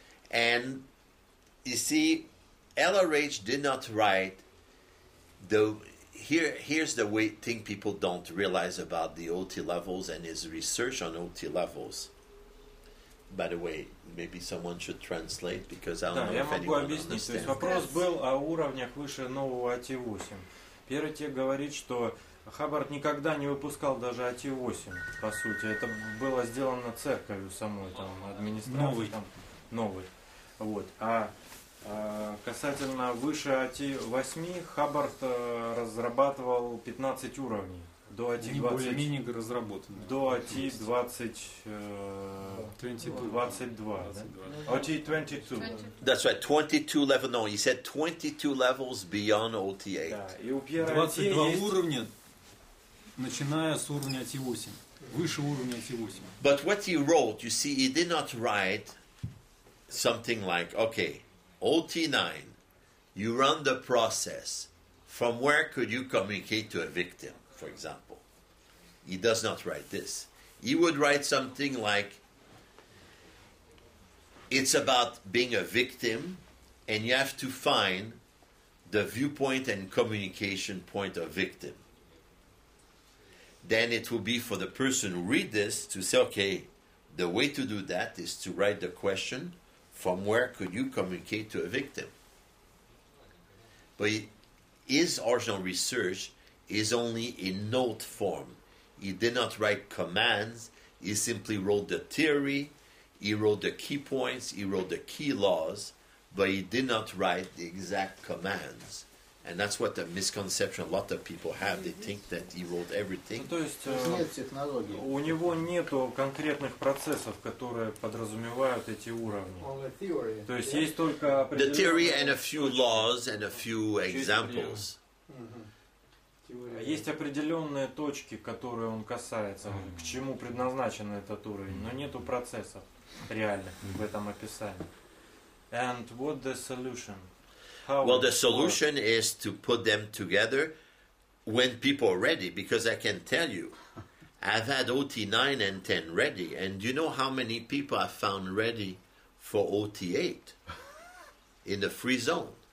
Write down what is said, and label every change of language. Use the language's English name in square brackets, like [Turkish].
[English] And you see, LRH did not write the... Here's the way thing people don't realize about the OT levels and his research on OT levels. By the way, maybe someone should translate, because I don't know if anyone understands. [Russian] Да, я могу объяснить. То есть вопрос был о уровнях выше нового OT8. Первый тех говорит, что Хаббард никогда не выпускал даже OT8, по сути. Это было сделано церковью самой, там, администрацией. Новый. Вот. А касательно выше OT8, Хаббард разрабатывал 15 уровней. До OT20. Мини-гры разработаны. До OT22. [English] That's right, 22 level. No, he said 22 levels beyond OT8. [Russian] Да, и у Пьера 22 есть... уровня, начиная с уровня OT8. Выше уровня OT8. [English] But what he wrote, you see, he did not write something like, okay, OT9, you run the process, from where could you communicate to a victim, for example? He does not write this. He would write something like, it's about being a victim, and you have to find the viewpoint and communication point of victim. Then it will be for the person who read this to say, okay, the way to do that is to write the question, from where could you communicate to a victim? But his original research is only in note form. He did not write commands. He simply wrote the theory. He wrote the key points. He wrote the key laws. But he did not write the exact commands. And that's what the misconception a lot of people have. They think that he wrote everything. [Russian] То есть у него нету конкретных процессов, которые подразумевают эти уровни. То есть есть только [English] the theory and a few laws and a few examples. [Russian] Есть определенные точки, которые он касается, к чему предназначен этот уровень, но нету процессов реальных в этом описании. [English] And what the solution? How well, the solution works? Is to put them together when people are ready, because I can tell you, I've had OT9 and 10 ready, and you know how many people I found ready for OT8 in the free zone?